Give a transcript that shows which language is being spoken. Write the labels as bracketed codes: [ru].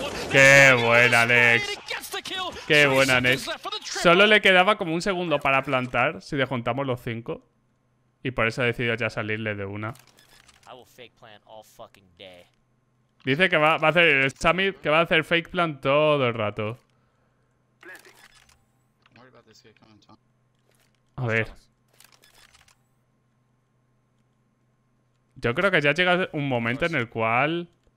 [es] ¡Qué buena, Nex! ¡Qué buena, Nex! Solo le quedaba como un segundo para plantar, si le juntamos los 5. Y por eso ha decidido ya salirle de una. [en] I will fake plant all fucking day. [es] Dice que va a hacer el summit, que va a hacer fake plant todo el rato. A ver. Yo creo que ya llega un momento en el cual...